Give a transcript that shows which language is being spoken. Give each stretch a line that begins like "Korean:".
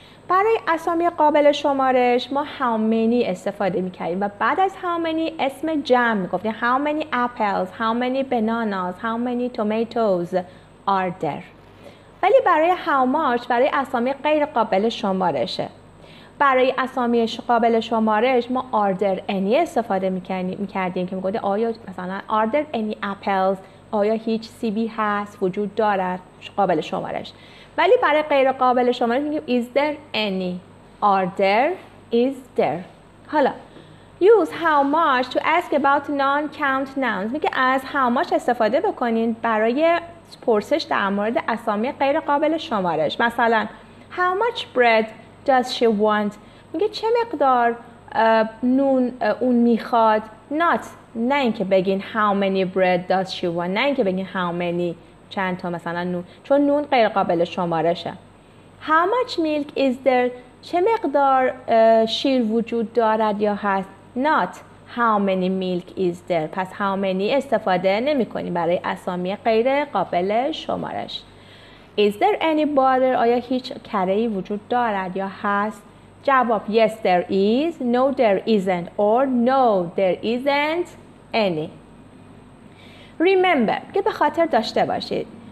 Persian: برای اسامی قابل شمارش ما
English: how many
Persian: استفاده میکردیم و بعد از how many اسم جمع میگفتیم.
English: How many apples، how many bananas، how many tomatoes are there.
Persian: ولی برای
English: how much
Persian: برای اسامی غیر قابل شمارشه. برای اسامی قابل شمارش ما
English: are there any
Persian: استفاده میکردیم که میگفتیم آیا مثلا
English: are there any apples،
Persian: آیا هیچ سیبی هست وجود دارد قابل شمارش. ولی برای غیر قابل شمارش میگیم
English: is there any، are there، is there.
Persian: حالا
English: use how much to ask about non-count nouns.
Persian: میگه از
English: how much
Persian: استفاده بکنین برای پرسش در مورد اسامی غیر قابل شمارش. مثلا
English: how much bread does she want.
Persian: میگه چه مقدار نون اون میخواد. Not، نه اینکه بگین
English: how many bread does she want،
Persian: نه اینکه بگین
English: how many
Persian: چند تا مثلا نون، چون نون غیر قابل شمارشه.
English: How much milk is there،
Persian: چه مقدار شیر وجود دارد یا هست.
English: Not how many milk is there.
Persian: پس
English: how many
Persian: استفاده نمی کنی برای اسامی غیر قابل شمارش.
English: Is there any butter،
Persian: آیا هیچ کره‌ای وجود دارد یا هست. جواب
English: yes there is، no there isn't، or no there isn't any. Remember
Persian: که به خاطر داشته باشید.